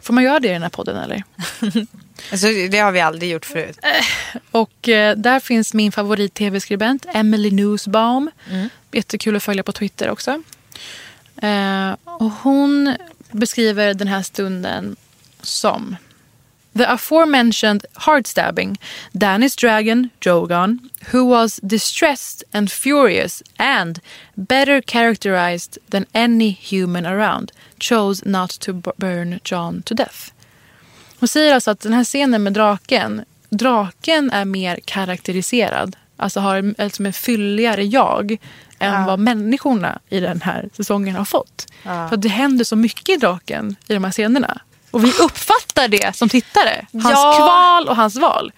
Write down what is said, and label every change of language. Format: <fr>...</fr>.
<sv>Får man göra det i den här podden, eller? Alltså, det har vi aldrig gjort förut. Och där finns min favorit tv-skribent, Emily Nussbaum. Mm. Jättekul att följa på Twitter också. Och hon beskriver den här stunden som...</sv> <en>The aforementioned heartstabbing, Danny's dragon, Drogon, who was distressed and furious and better characterized than any human around, chose not to burn Jon to death.</en> <sv>Hon säger alltså att den här scenen med draken är mer karaktäriserad, alltså har liksom en fylligare jag än vad människorna i den här säsongen har fått. För det händer så mycket i draken i de här scenerna. Och vi uppfattar det som tittare. Hans kval och hans val.</sv>